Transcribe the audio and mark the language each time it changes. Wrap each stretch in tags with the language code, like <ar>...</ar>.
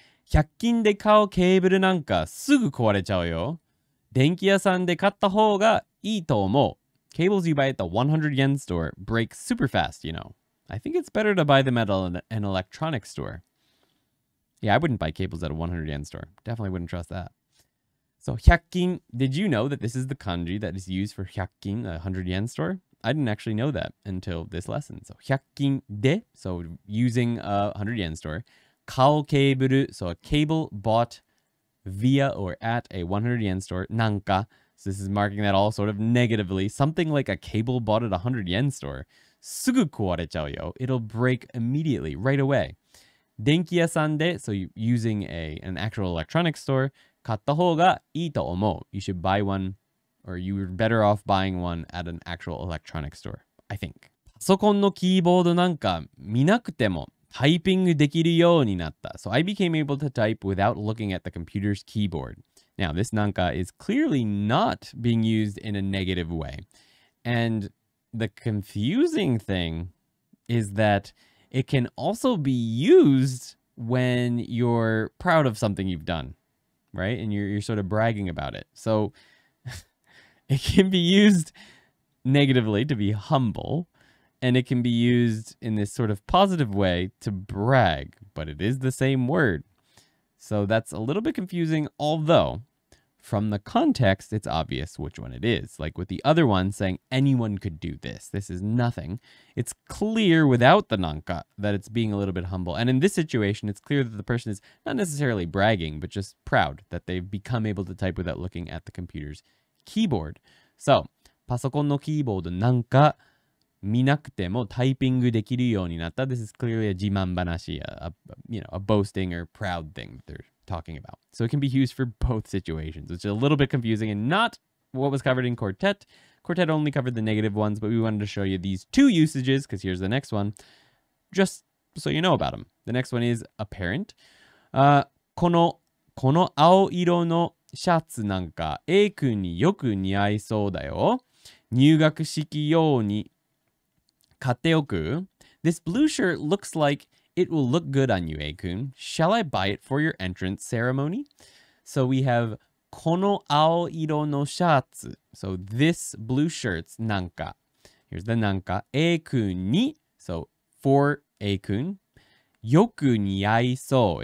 <ja>100均で買うケーブルなんかすぐ壊れちゃうよ。電気屋さんで買った方がいいと思う。</ja> <en>Cables you buy at the 100 yen store break super fast, you know. I think it's better to buy them at an electronics store. Yeah, I wouldn't buy cables at a 100 yen store. Definitely wouldn't trust that. So, 100均, did you know that this is the kanji that is used for 100均, a 100 yen store? I didn't actually know that until this lesson. So, 100均で, so using a 100 yen store.</en> <ja>買うケーブル,</ja> <en>so a cable bought via or at a 100 yen store. なんか, so this is marking that all sort of negatively. Something like a cable bought at a 100 yen store.</en> <ja>すぐ壊れちゃうよ.</ja> <en>It'll break immediately, right away.</en> <ja>電気屋さんで,</ja> <en>so using an actual electronics store.</en> <ja>買った方がいいと思う.</ja> <en>You should buy one. Or you were better off buying one at an actual electronics store, I think.</en> <ja>パソコンのキーボードなんか見なくてもタイピングできるようになった。</ja> <en>So I became able to type without looking at the computer's keyboard. Now, this なんか is clearly not being used in a negative way. And the confusing thing is that it can also be used when you're proud of something you've done, right? And you're sort of bragging about it. So... It can be used negatively to be humble, and it can be used in this sort of positive way to brag, but it is the same word. So that's a little bit confusing, although from the context, it's obvious which one it is. Like with the other one saying anyone could do this, this is nothing. It's clear without the nanka that it's being a little bit humble. And in this situation, it's clear that the person is not necessarily bragging, but just proud that they've become able to type without looking at the computer's keyboard.</en> <ja>So, パソコンのキーボードなんか見なくてもタイピングできるようになった。</ja> <en>This is clearly a 自慢話, a boasting or proud thing that they're talking about. So it can be used for both situations, which is a little bit confusing and not what was covered in Quartet. Quartet only covered the negative ones, but we wanted to show you these two usages because here's the next one, just so you know about them. The next one is a parent.</en> <ja>この青色のシャツなんか A 君によく似合いそうだよ。入学式用に買っておく。</ja> <en>This blue shirt looks like it will look good on you, A 君. Shall I buy it for your entrance ceremony? So we have</en> <ja>この青色のシャツ.</ja> <en>So this blue shirt's なんか.Here's the なんか A 君に. So for</en> <ja>A 君.よく似合いそう.</ja>